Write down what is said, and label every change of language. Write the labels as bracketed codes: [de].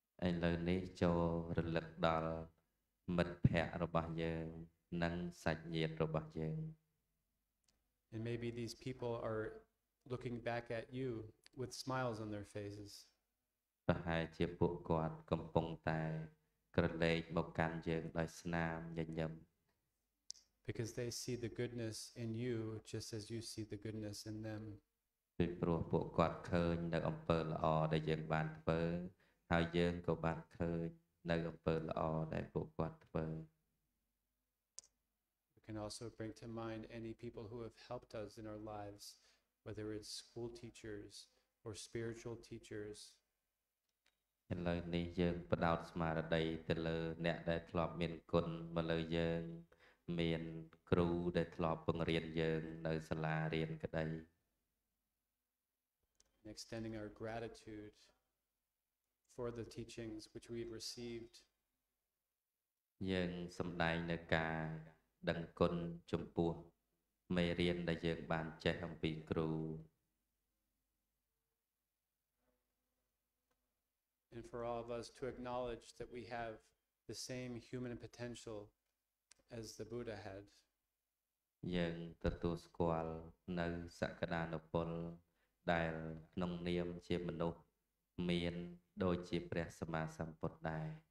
[km] ឥឡូវនេះចូលរលឹកដល់មិត្តភ័ក្តិរបស់យើងនិងសាច់ញាតិរបស់យើង. [en] And maybe these people are looking back at you with smiles on their faces. [km] ប្រហែលជាពួកគាត់កំពុងតែក្រឡេកមកកាន់យើងដោយស្នាមញញឹម [en] Because they see the goodness in you just as you see the goodness in them. [km] ពីព្រោះពួកគាត់ឃើញនៅអំពើល្អដែលយើងបានធ្វើហើយយើងក៏បានឃើញនៅអំពើល្អដែលពួកគាត់ធ្វើ [en] can also bring to mind any people who have helped us in our lives, whether it's school teachers or spiritual teachers. [km] ឥឡូវនេះយើងបដោតស្មារតីទៅលើអ្នកដែលធ្លាប់មានគុណមកលើយើងមានគ្រូដែលធ្លាប់បង្រៀនយើងនៅសាលារៀនក្តី [en] extending our gratitude for the teachings which we have received [km] យើងសម្ដែងនូវការដឹងគុណចំពោះមេរៀនដែលយើងបានចេះអំពីគ្រូ [en] And for all of us to acknowledge that we have the same human potential as the Buddha had. [km] យើងទទួលស្គាល់នៅសក្តានុពលដែលក្នុងនាមជាមនុស្សមានដូចជាព្រះសម្មាសម្ពុទ្ធដែរ